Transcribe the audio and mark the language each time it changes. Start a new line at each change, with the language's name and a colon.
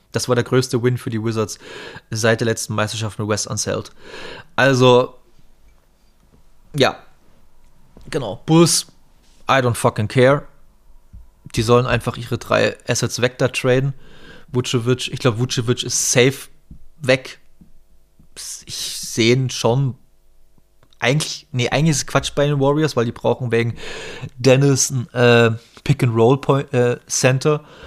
German: Das war der größte Win für die Wizards seit der letzten Meisterschaft mit Wes Unseld. Also, ja, genau.
English: Bulls, I don't fucking care.
German: Die sollen einfach ihre 3 Assets weg da traden. Vucevic, ich glaube, Vucevic ist safe weg. Ich sehe ihn schon. Eigentlich ist es Quatsch bei den Warriors, weil die brauchen wegen Dennis ein Pick-and-Roll-Center.